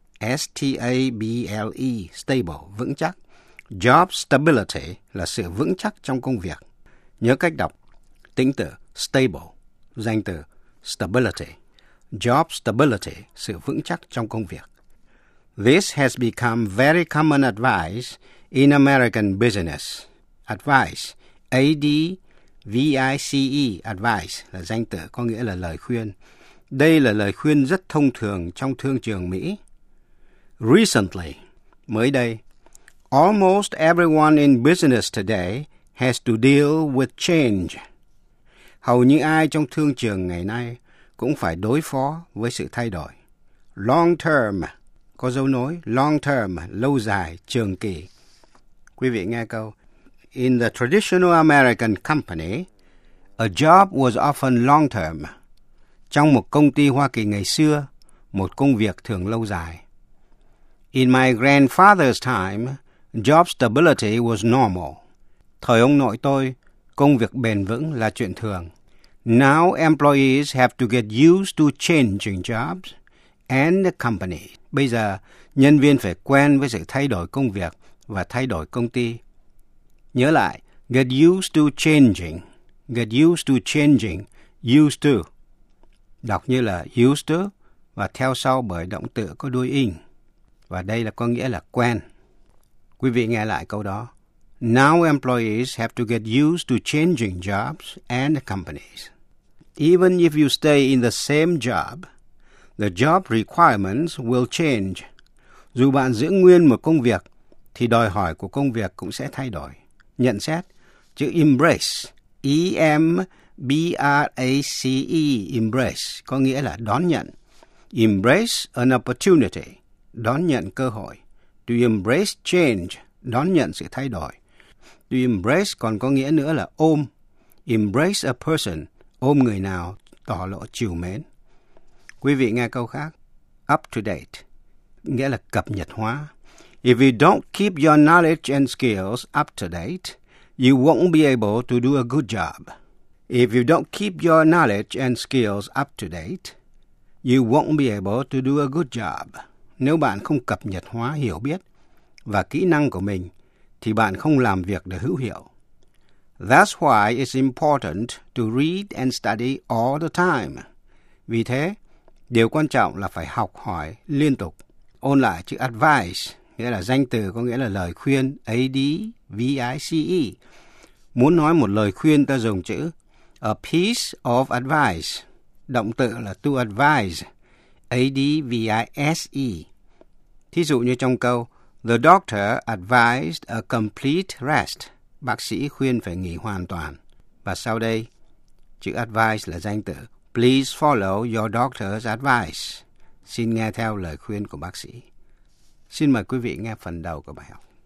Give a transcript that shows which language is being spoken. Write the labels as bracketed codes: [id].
[en] S-T-A-B-L-E, stable, [vi] vững chắc. [en] Job stability [vi] là sự vững chắc trong công việc. Nhớ cách đọc. Tính tự stable, danh từ. Stability. [en] Job stability, [vi] sự vững chắc trong công việc. [en] This has become very common advice in American business. [vi] Advice, A-D-V-I-C-E, advice, là danh từ có nghĩa là lời khuyên. Đây là lời khuyên rất thông thường trong thương trường Mỹ. [en] Recently, [vi] mới đây, [en] almost everyone in business today has to deal with change. [vi] Hầu như ai trong thương trường ngày nay cũng phải đối phó với sự thay đổi. [en] Long term, [vi] có dấu nối, long term, lâu dài, trường kỳ. Quý vị nghe câu. [en] In the traditional American company, a job was often long term. [vi] Trong một công ty Hoa Kỳ ngày xưa, một công việc thường lâu dài. [en] In my grandfather's time, job stability was normal. [vi] Thời ông nội tôi, công việc bền vững là chuyện thường. [en] Now employees have to get used to changing jobs and the company. [vi] Bây giờ, nhân viên phải quen với sự thay đổi công việc và thay đổi công ty. Nhớ lại, [en] get used to changing. Get used to changing. Used to. [vi] Đọc như là used to và theo sau bởi động từ có đuôi in. Và đây là có nghĩa là quen. Quý vị nghe lại câu đó. [en] Now employees have to get used to changing jobs and companies. Even if you stay in the same job, the job requirements will change. [vi] Dù bạn giữ nguyên một công việc, thì đòi hỏi của công việc cũng sẽ thay đổi. Nhận xét, chữ embrace, E-M-B-R-A-C-E, embrace, có nghĩa là đón nhận. [en] Embrace an opportunity, [vi] đón nhận cơ hội. [en] To embrace change, [vi] đón nhận sự thay đổi. To embrace còn có nghĩa nữa là ôm. [en] Embrace a person, [vi] ôm người nào, tỏ lộ trìu mến. Quý vị nghe câu khác. Up to date, nghĩa là cập nhật hóa. [en] If you don't keep your knowledge and skills up to date, you won't be able to do a good job. If you don't keep your knowledge and skills up to date, you won't be able to do a good job. [vi] Nếu bạn không cập nhật hóa hiểu biết và kỹ năng của mình, thì bạn không làm việc được hữu hiệu. [en] That's why it's important to read and study all the time. [vi] Vì thế, điều quan trọng là phải học hỏi liên tục. Ôn lại chữ advice, nghĩa là danh từ có nghĩa là lời khuyên, A-D-V-I-C-E. Muốn nói một lời khuyên ta dùng chữ [en] a piece of advice. [vi] Động từ là [en] to advise, [vi] A-D-V-I-S-E. Thí dụ như trong câu [en] The doctor advised a complete rest. [vi] Bác sĩ khuyên phải nghỉ hoàn toàn. Và sau đây, chữ advice là danh từ. [en] Please follow your doctor's advice. [vi] Xin nghe theo lời khuyên của bác sĩ. Xin mời quý vị nghe phần đầu của bài học.